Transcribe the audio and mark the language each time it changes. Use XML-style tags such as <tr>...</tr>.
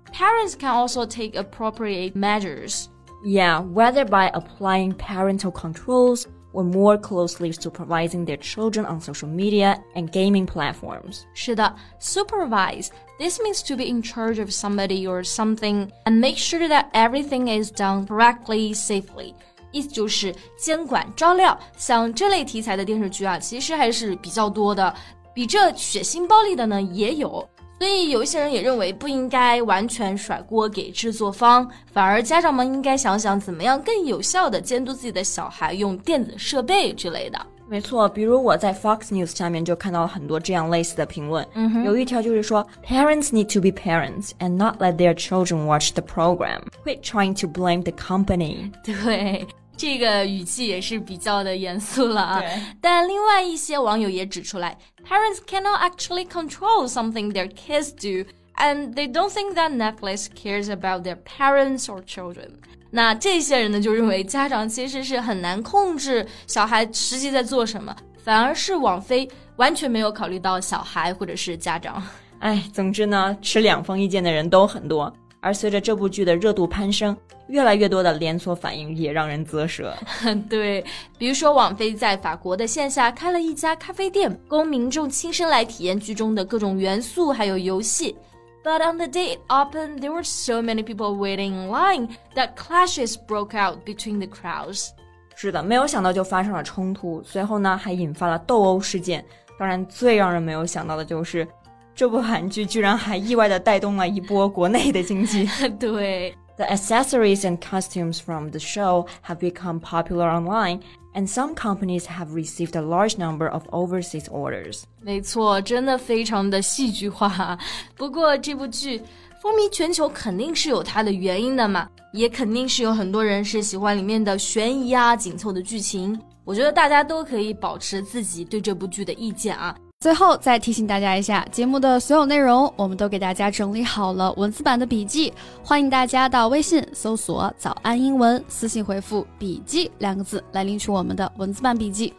<en>Parents can also take appropriate measures. Yeah, whether by applying parental controls or more closely supervising their children on social media and gaming platforms.</en> <zh>是的</zh> <en>supervise, this means to be in charge of somebody or something and make sure that everything is done correctly, safely.</en> <zh>意思就是监管照料，像这类题材的电视剧啊，其实还是比较多的，比这血腥暴力的呢也有。所以有一些人也认为不应该完全甩锅给制作方，反而家长们应该想想怎么样更有效地监督自己的小孩用电子设备之类的。没错，比如我在 Fox News 下面就看到了很多这样类似的评论。嗯，有一条就是说</zh> <en>Parents need to be parents and not let their children watch the program. Quit trying to blame the company.</en> <zh>对，这个语气也是比较的严肃了啊。但另外一些网友也指出来</zh> <en>Parents cannot actually control something their kids do and they don't think that Netflix cares about their parents or children.</en> <zh>那这些人呢就认为家长其实是很难控制小孩实际在做什么反而是网飞完全没有考虑到小孩或者是家长哎，总之呢持两方意见的人都很多而随着这部剧的热度攀升越来越多的连锁反应也让人咋舌对比如说网飞在法国的线下开了一家咖啡店供民众亲身来体验剧中的各种元素还有游戏</zh> <en>But on the day it opened, there were so many people waiting in line that clashes broke out between the crowds.</en> <zh>是的，没有想到就发生了冲突，随后呢还引发了斗殴事件。当然，最让人没有想到的就是，这部韩剧居然还意外地带动了一波国内的经济。对。</zh> <en>The accessories and costumes from the show have become popular online, and some companies have received a large number of overseas orders.</en> <zh>没错，真的非常的戏剧化。不过这部剧风靡全球肯定是有它的原因的嘛，也肯定是有很多人是喜欢里面的悬疑啊、紧凑的剧情。我觉得大家都可以保持自己对这部剧的意见啊。最后再提醒大家一下，节目的所有内容我们都给大家整理好了文字版的笔记，欢迎大家到微信搜索早安英文，私信回复笔记两个字来领取我们的文字版笔记。</zh>